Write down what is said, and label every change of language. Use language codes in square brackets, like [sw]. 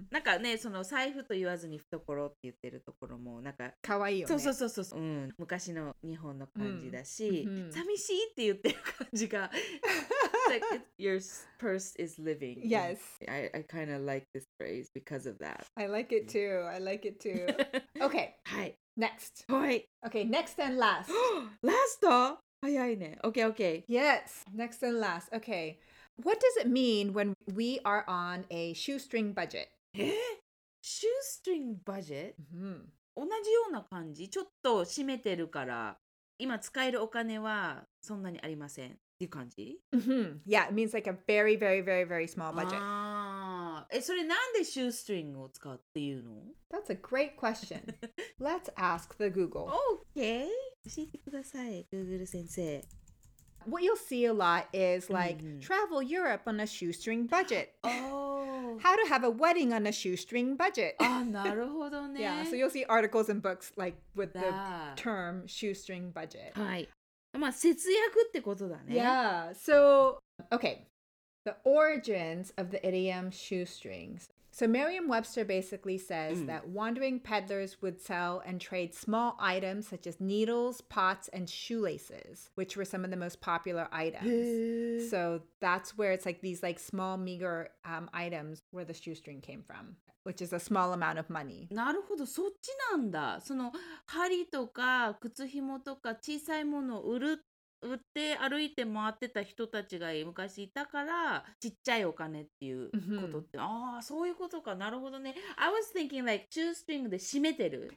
[ja] なんかね、その財布と言わずに懐って言ってるところもなんか可愛いよね。そうそうそうそう。うん。昔の日本の感じだし、寂しいって言ってる感じが。 [en] Like your purse is living. Yes. I kind of like this phrase because of that. I like it too. I like it too. Okay. Hi. Next. Hi. Okay, next and last. Last? [ja] 早いね。 [en] Okay, okay. Yes. Next and last. Okay. What does it mean when we are on a shoestring budget? Shoestring budget? Mm-hmm. [ja] 同じような感じ。ちょっと締めてるから、今使えるお金はそんなにありません。 [en] Mm-hmm. Yeah, it means like a very, very, very, very small budget. [ja] それなんでシュースリングを使うっていうの? [en] That's a great question. Let's ask the Google. [ja] Okay. 教えてください、Google 先生。 [en] What you'll see a lot is like, travel Europe on a shoestring budget. How to have a wedding on a shoestring budget. [ja] あ、なるほどね。 [en] Yeah, so you'll see articles and books like with the term shoestring budget. [ja] はい。まあ、節約ってことだね。 [en] Yeah. So, okay. The origins of the idiom shoestrings. So, Merriam-Webster basically says that wandering peddlers would sell and trade small items such as needles, pots, and shoelaces, which were some of the most popular items. So, that's where it's like these like small, meager items where the shoestring came from, which is a small amount of money. [ja] なるほど、そっちなんだ。その針とか靴ひもとか小さいものを売って歩いて回ってた人たちが昔いたからちっちゃいお金っていうことって、mm-hmm. ああそういうことか、なるほどね。 [en] I was thinking like shoestring [ja] で締めてる。